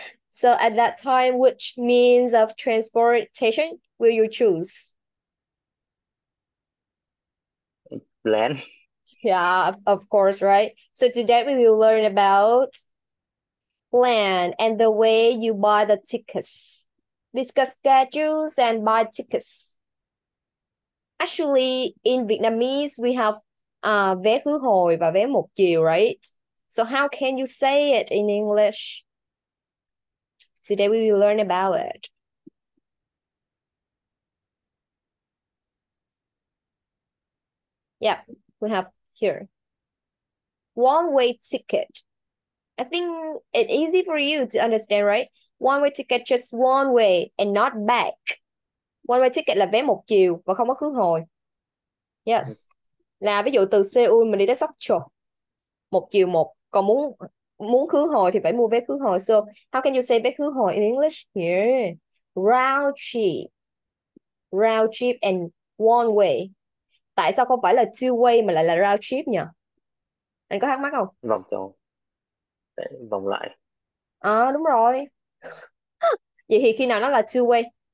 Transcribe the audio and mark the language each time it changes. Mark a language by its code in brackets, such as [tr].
[en] So at that time, which means of transportation will you choose? Plan. Yeah, of course, right? So today we will learn about plan and the way you buy the tickets. Discuss schedules and buy tickets. Actually, in Vietnamese, we have [vi] vé khứ hồi và vé một chiều, [en] right? So how can you say it in English? Today we will learn about it. Yeah, we have here. One-way ticket. I think it's easy for you to understand, right? One-way ticket, just one way and not back. [vi] One-way ticket là vé một chiều và không có khứ hồi. Yes. Là ví dụ từ Seoul mình đi tới Sokcho. Một chiều một. Còn muốn muốn khứ hồi thì phải mua vé khứ hồi. [en] So, how can you say [vi] vé khứ hồi [en] in English here? Round trip and one way. [vi] Tại sao không phải là two way mà lại là round trip nhỉ? Anh có thắc mắc không? Vòng tròn sẽ vòng lại. À, đúng rồi. Vậy thì khi nào nó là two way?